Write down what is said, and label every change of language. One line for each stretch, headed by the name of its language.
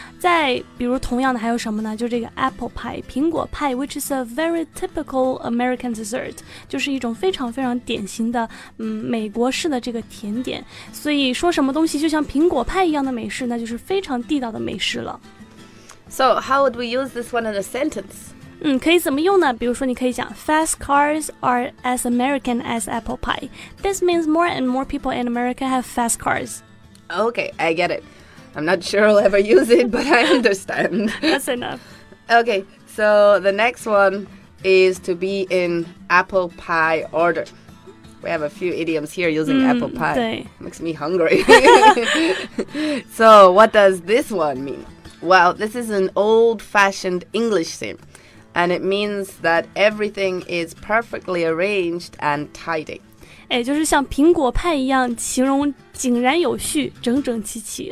Chinese: 再比如同样的还有什么呢？就这个 Apple Pie， 苹果派 ，
English: which is a very typical American dessert，
Chinese: 就是一种非常非常典型的美国式的这个甜点。所以说什么东西就像苹果派一样的美食，那就是非常地道的美食了。
English: So, how would we use this one in a sentence?
Chinese: 可以怎么用呢？比如说你可以讲
English: Fast cars are as American as apple pie. This means more and more people in America have fast cars. Okay, I get it. I'm not sure I'll ever use it, but I understand. That's enough. Okay, so the next one is to be in apple pie order. We have a few idioms here using apple pie.
Chinese: 对
English: Makes me hungry. So, what does this one mean? Well, this is an old-fashioned English saying, and it means that everything is perfectly arranged and tidy.
Chinese: 哎，就是像苹果派一样，形容井然有序，整整齐齐。